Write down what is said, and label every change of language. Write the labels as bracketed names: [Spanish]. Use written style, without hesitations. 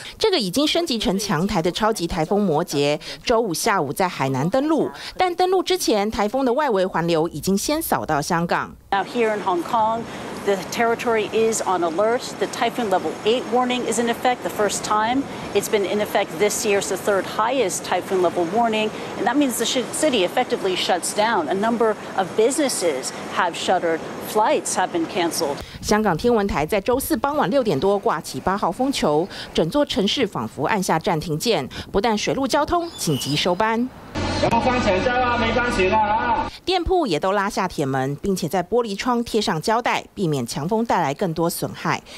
[Chinese] 这个已经升级成强台的超级台风摩羯，周五下午在海南登陆。但登陆之前，台风的外围环流已经先扫到香港。 [English] Now here in Hong Kong, the territory is on alert. The typhoon level 8 warning is in effect. The first time it's been in effect this year, it's the third highest typhoon level warning, and that means the city effectively shuts down. A number of businessHave shuttered. Flights have been canceled. [Chinese] 香港天文台在周四傍晚六点多挂起八号风球，整座城市仿佛按下暂停键，不但水路交通紧急收班。要关起来了，没关系了啊！店铺也都拉下铁门，并且在玻璃窗贴上胶带，避免强风带来更多损害。